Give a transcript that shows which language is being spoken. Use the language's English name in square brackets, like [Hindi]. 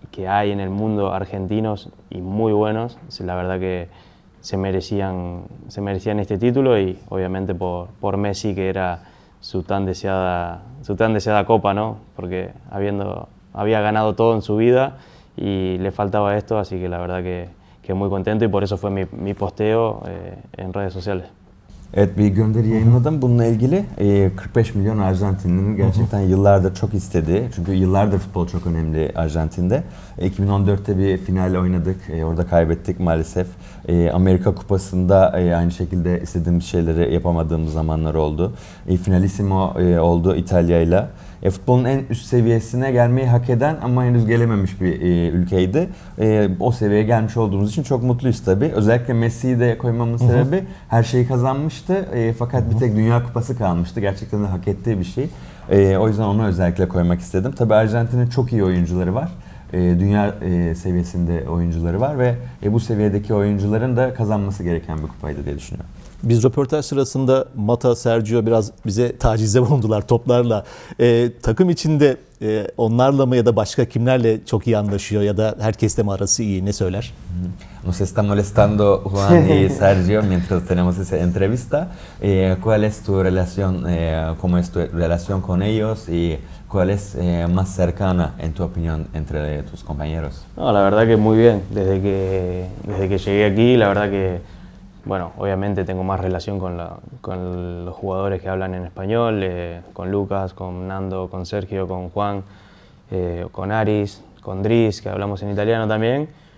[Spanish] hay en el mundo argentinos y muy buenos, la verdad que se merecían este título y obviamente por Messi que era su tan deseada copa, ¿no? Porque había ganado todo en su vida y le faltaba esto, así que la verdad que muy contento y por eso fue mi posteo en redes sociales. [Turkish] Evet, bir gönderi yayınladım bununla ilgili. 45 milyon Arjantinli'nin gerçekten yıllardır çok istediği, çünkü yıllardır futbol çok önemli Arjantin'de. 2014'te bir final oynadık, orada kaybettik maalesef. Amerika Kupası'nda aynı şekilde istediğimiz şeyleri yapamadığımız zamanlar oldu. Finalissimo oldu İtalya'yla. Futbolun en üst seviyesine gelmeyi hak eden ama henüz gelememiş bir ülkeydi. O seviyeye gelmiş olduğumuz için çok mutluyuz tabii. Özellikle Messi'yi de koymamın sebebi her şeyi kazanmıştı. Fakat bir tek Dünya Kupası kalmıştı. Gerçekten de hak ettiği bir şey. O yüzden onu özellikle koymak istedim. Tabii Arjantin'in çok iyi oyuncuları var. Dünya seviyesinde oyuncuları var ve bu seviyedeki oyuncuların da kazanması gereken bir kupaydı diye düşünüyorum. Biz röportaj sırasında Mata, Sergio biraz bize tacizde bulundular toplarla. Takım içinde onlarla mı ya da başka kimlerle çok iyi anlaşıyor ya da herkesle mi arası iyi? Ne söyler? [Spanish] Nos está molestando Juan y Sergio mientras tenemos esa entrevista. ¿Cuál es tu relación? ¿Cómo es tu relación con ellos? ¿Y cuál es más cercana, en tu opinión, entre tus compañeros? No, la verdad que muy bien. Desde que llegué aquí, la verdad que bueno, obviamente tengo más relación con los jugadores que hablan en español, con Lucas, con Nando, con Sergio, con Juan, con Aris, con Dris, que hablamos en italiano también.